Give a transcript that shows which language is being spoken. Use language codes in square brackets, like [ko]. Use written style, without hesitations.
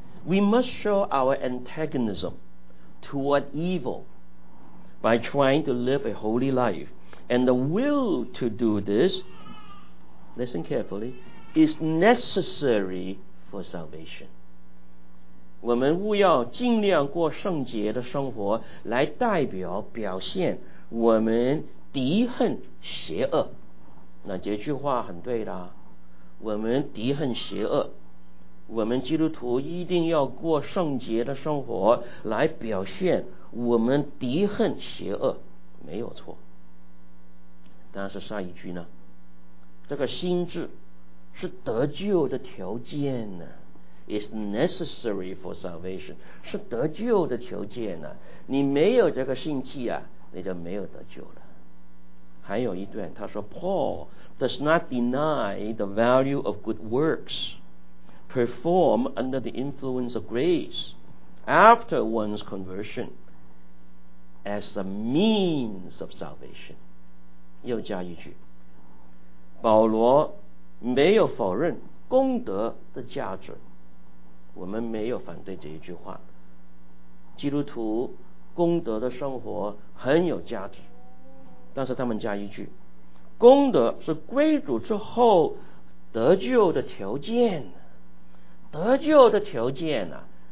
[en] We must show our antagonism toward evil by trying to live a holy life, and the will to do this, listen carefully, is necessary for salvation. [zh] 我们务要尽量过圣洁的生活，来代表表现我们敌恨邪恶。那这句话很对的，我们敌恨邪恶，我们基督徒一定要过圣洁的生活，来表现我们敌恨邪恶，没有错。但是下一句呢，这个心智是得救的条件呢， is necessary for salvation，是得救的条件呢。你没有这个心智啊，你就没有得救了。 [en] 还有一段他说， Paul does not deny the value of good works performed under the influence of grace after one's conversion as a means of salvation. [zh] 又加一句，保罗没有否认功德的价值，我们没有反对这一句话，基督徒功德的生活很有价值。但是他们加一句，功德是归主之后得救的条件，得救的条件、啊、